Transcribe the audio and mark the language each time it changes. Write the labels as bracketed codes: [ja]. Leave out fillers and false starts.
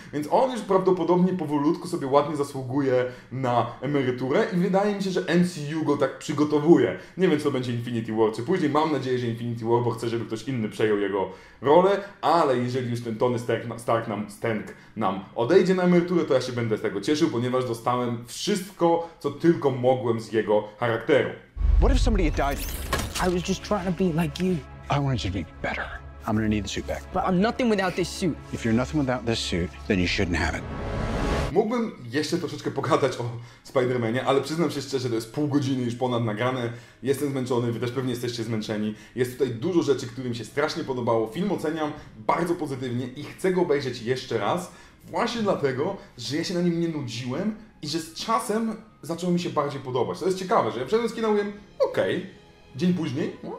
[pl] Więc on już prawdopodobnie powolutku sobie ładnie zasługuje na emeryturę i wydaje mi się, że MCU go tak przygotowuje. Nie wiem, co będzie Infinity War czy później. Mam nadzieję, że Infinity War, bo chcę, żeby ktoś inny przejął jego rolę, ale jeżeli już ten Tony Stark nam odejdzie na emeryturę, to ja się będę z tego cieszył, ponieważ dostałem wszystko, co tylko mogłem z jego charakteru. [en] What if somebody had died? I was just trying to be like you. I wanted you to be better. I'm gonna need the suit back. But I'm nothing without this suit. If you're nothing without this suit, then you shouldn't have it. [pl] Mógłbym jeszcze troszeczkę pogadać o Spider-Manie, ale przyznam się szczerze, że to jest pół godziny już ponad nagrane. Jestem zmęczony, wy też pewnie jesteście zmęczeni. Jest tutaj dużo rzeczy, które mi się strasznie podobało. Film oceniam bardzo pozytywnie i chcę go obejrzeć jeszcze raz. Właśnie dlatego, że ja się na nim nie nudziłem i że z czasem zaczęło mi się bardziej podobać. To jest ciekawe, że ja przede wszystkim mówię, okej, dzień później,